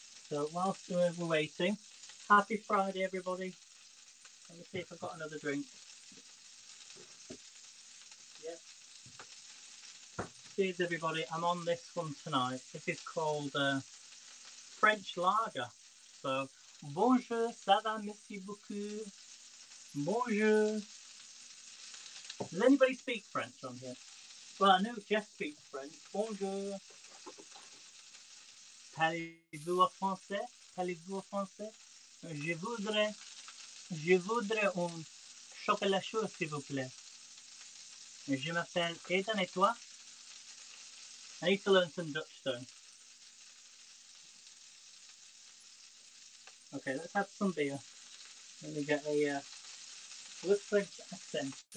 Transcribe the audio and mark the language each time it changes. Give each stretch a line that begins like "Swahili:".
English: So whilst we're waiting, happy Friday everybody. Let me see if I've got another drink. Yep. Cheers everybody, I'm on this one tonight. This is called French Lager.
French: So bonjour, ça va, merci beaucoup. Bonjour.
English: Does anybody speak French on here? Well, I know Jeff speaks French.
French: Bonjour. Parlez-vous en français? Parlez-vous en français? Je voudrais un chocolat chaud, s'il vous plaît. Je m'appelle Ethan et toi?
English: I need to learn some Dutch, though. Okay, let's have some beer. Let me get a good French accent.